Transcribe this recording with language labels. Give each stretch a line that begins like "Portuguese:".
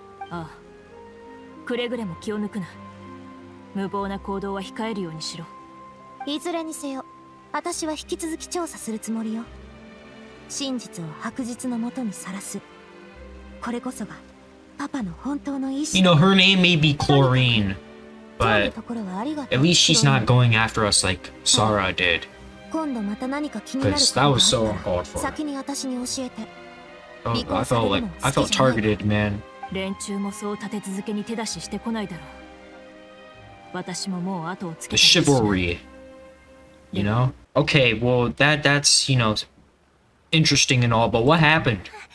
Japanese: ああ。くれぐれも気を抜くな。無謀な行動は控えるようにしろ。いずれにせよ、私は引き続き調査するつもりよ。真実を白日のもとにさらす。これこそがパパの本当の意思。
English: You know, her name may be Chlorine. But at least she's not going after us like Sara did. Because that was so uncalled for. I felt targeted, man.
Japanese: 連中もそう立て続けに手出ししてこないだろう。
English: The chivalry, you know? Okay, well, that's, you know, interesting and all, but what happened?